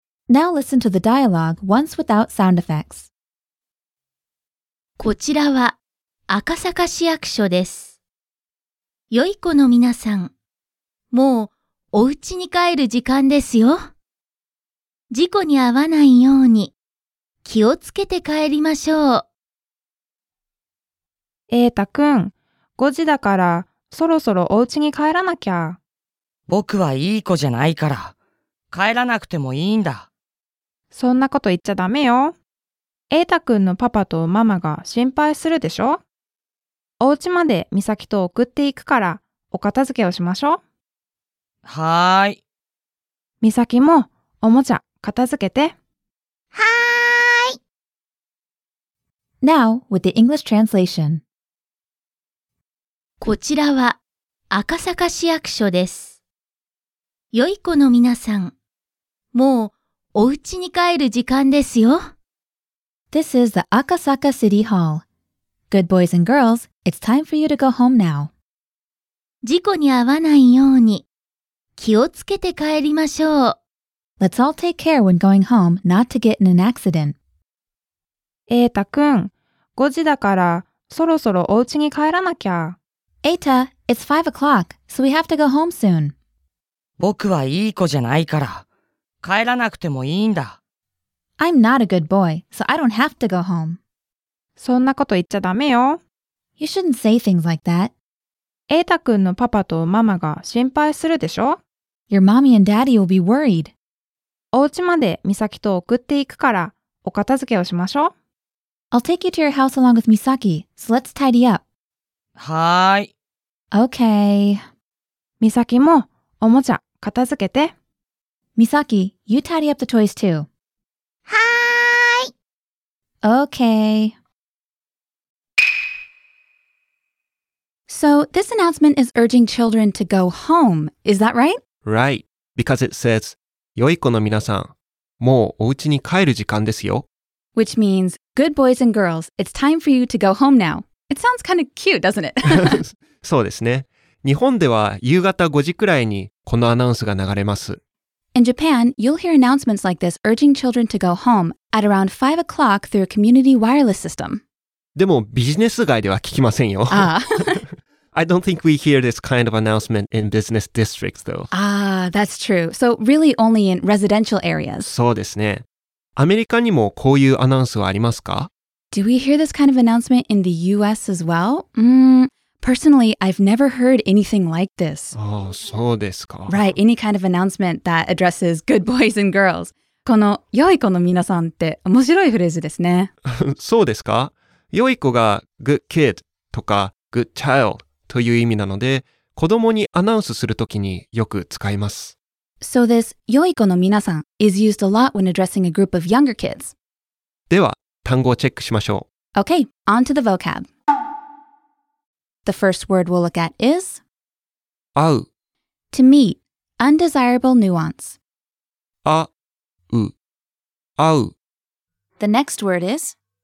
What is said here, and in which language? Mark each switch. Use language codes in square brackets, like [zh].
[en] Now listen to the dialogue once without sound effects. [ja] こちらは赤坂市役所です。良い子の皆さん、もうお家に帰る時間ですよ。事故に遭わないように気をつけて帰りましょう。エータ君、5時だからそろそろお家に帰らなきゃ。僕はいい子じゃないから、帰らなくてもいいんだ。そんなこと言っちゃダメよ。エータ君のパパとママが心配するでしょ。お家までミサキと送っていくからお片付けをしましょう。はい。ミサキもおもちゃ片付けて。はーい。 [en] Now with the English translation. [ja] こちらは赤坂市役所です。良い子の皆さん、もうお家に帰る時間ですよ。 [en] This is the Akasaka City Hall. Good boys and girls, it's time for you to go home now. [ja] 事故に遭わないように気をつけて帰りましょう。 [en] Let's all take care when going home not to get in an accident. [ja] エータ君、5時だからそろそろお家に帰らなきゃ。 [en] エータ、it's 5 o'clock, so we have to go home soon. [ja] 僕はいい子じゃないから。帰らなくてもいいんだ。 [en] I'm not a good boy, so I don't have to go home. [ja] そんなこと言っちゃダメよ。 [en] You shouldn't say things like that. [ja] エータ君のパパとママが心配するでしょ。 [en] Your mommy and daddy will be worried. [ja] お家までミサキと送っていくからお片付けをしましょう。 [en] I'll take you to your house along with Misaki, so let's tidy up. [ja] はい。 [en] Okay. [ja] Misaki もおもちゃ片付けて。 [en] Misaki, you tidy up the toys too. [ja] はい。 [en] Okay. So this announcement is urging children to go home, is that right? Right, because it says, [ja] 良い子の皆さん、もうお家に帰る時間ですよ。 [en] Which means, good boys and girls, it's time for you to go home now. It sounds kind of cute, doesn't it? [ja] そうですね。日本では夕方5時くらいにこのアナウンスが流れます。 [en] In Japan, you'll hear announcements like this urging children to go home at around 5 o'clock through a community wireless system. [ja] でもビジネス街では聞きませんよ。ああ。 [en] I don't think we hear this kind of announcement in business districts, though. Ah, that's true. So really only in residential areas. [ja] そうですね。アメリカにもこういうアナウンスはありますか? [en] Do we hear this kind of announcement in the US as well? Personally, I've never heard anything like this. [ja] Oh, そうですか。 [en] Right, any kind of announcement that addresses good boys and girls. [ja] この良い子の皆さんって面白いフレーズですね。そうですか。良い子が [en] good kid [ja] とか [en] good child [ja] という意味なので、子供にアナウンスするときによく使います。 [en] So this [ja] 良い子の皆さん [en] is used a lot when addressing a group of younger kids. [ja] では、単語をチェックしましょう。 [en] Okay, on to the vocab. The first word we'll look at is [ja] 合う [en] To meet, undesirable nuance. [ja] 合う合う [en] The next word is